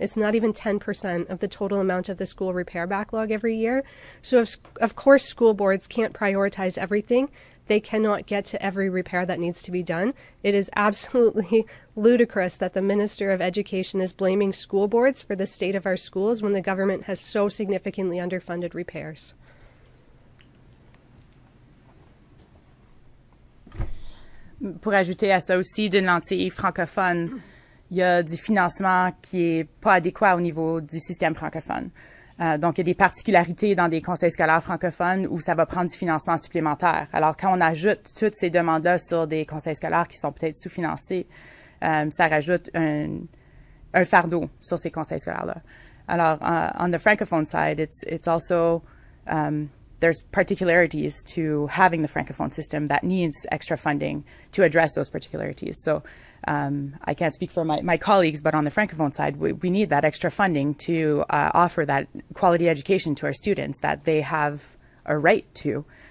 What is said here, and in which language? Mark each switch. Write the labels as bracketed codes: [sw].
[en] It's not even 10% of the total amount of the school repair backlog every year. So of course school boards can't prioritize everything. they cannot get to every repair that needs to be done. It is absolutely ludicrous that the Minister of Education is blaming school boards for the state of our schools when the government has so significantly underfunded repairs. [fr] Pour ajouter à ça aussi, d'une lentille francophone, il y a du financement qui n'est pas adéquat au niveau du système francophone. Donc, il y a des particularités dans des conseils scolaires francophones où ça va prendre du financement supplémentaire. Alors, quand on ajoute toutes ces demandes-là sur des conseils scolaires qui sont peut-être sous-financés, ça rajoute un fardeau sur ces conseils scolaires-là. [en] Alors, on the francophone side, it's also... there's particularities to having the francophone system that needs extra funding to address those particularities. So I can't speak for my colleagues, but on the francophone side, we need that extra funding to offer that quality education to our students that they have a right to.